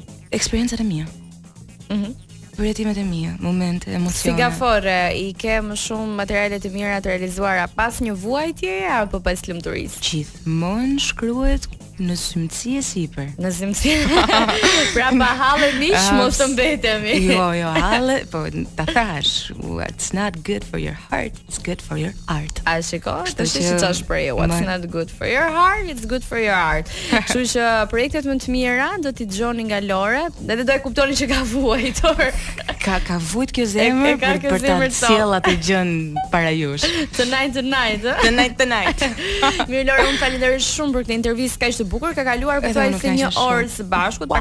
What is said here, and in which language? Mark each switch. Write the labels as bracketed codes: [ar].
[sq] eksperiencat e mia. Përjetimet e mia, momente, emocione. Si gafore, i ke më shumë materiale të mira të realizuara pas një vuajtje apo pas lumturisë? Gjithmonë shkruhet në zymtësi e sipër. Në zymtësi. Pra pa halle mish mos të mbetemi. Jo, halle, po ta thash, [en] what's not good for your heart, it's good for your art. [sq] A shiko, të shiko që është prej, [en] what's not good for your heart, it's good for your art. [sq] Kështu që projektet më të mira do t'i dëgjoni nga Lorè, edhe do e kuptoni që ka vuajtur. Ka vujt kjo zemër për ta cilë atë gjën para jush. [en] Tonight, tonight. [sq] Mirë Lorè, unë falenderoj shumë për këtë intervistë, kaq të bukur, ka kaluar për thuaj se një orë së bashku, wow.